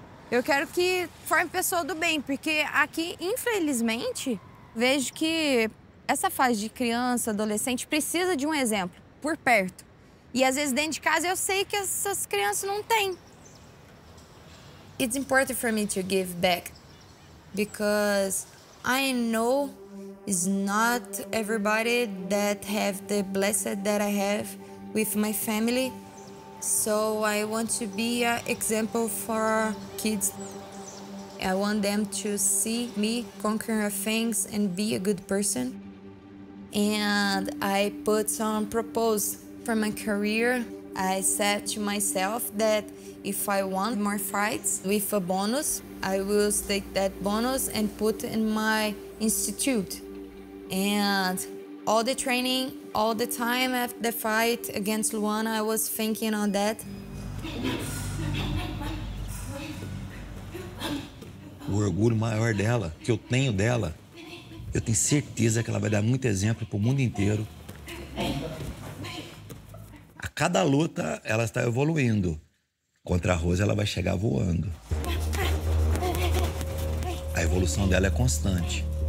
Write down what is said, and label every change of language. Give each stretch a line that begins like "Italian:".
Portuguese: Eu quero que forme pessoa do bem, porque aqui, infelizmente, vejo que essa fase de criança, adolescente, precisa de um exemplo, por perto. E às vezes dentro de casa eu sei que essas crianças não têm.
English: It's important for me to give back, because I know it's not everybody that have the blessed that I have with my family. So I want to be an example for kids. I want them to see me conquering things and be a good person. And I put some proposals for my career. I said to myself that if I want more fights with a bonus, I will take that bonus and put it in my institute. And all the training, all the time after the fight against Luana, I was thinking on that.
Portuguese: O orgulho maior dela, que eu tenho dela, eu tenho certeza que ela vai dar muito exemplo pro mundo inteiro. A cada luta, ela está evoluindo. Contra a Rose, ela vai chegar voando. A evolução dela é constante.